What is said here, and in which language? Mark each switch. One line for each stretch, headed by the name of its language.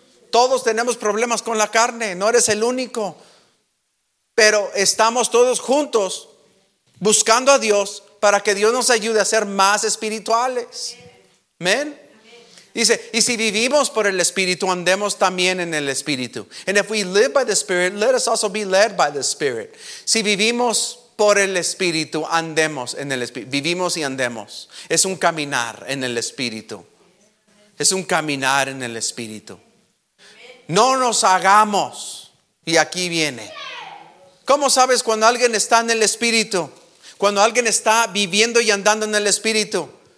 Spanish: Todos tenemos problemas con la carne. No eres el único. Pero estamos todos juntos buscando a Dios para que Dios nos ayude a ser más espirituales. Amén. Dice, y si vivimos por el Espíritu, andemos también en el Espíritu.
English: And if we live by the Spirit, let us also be led by the Spirit.
Spanish: Si vivimos por el Espíritu, andemos en el Espíritu. Vivimos y andemos. Es un caminar en el Espíritu. Es un caminar en el Espíritu. No nos hagamos. Y aquí viene. ¿Cómo sabes cuando alguien está en el Espíritu? Cuando alguien está viviendo y andando en el Espíritu.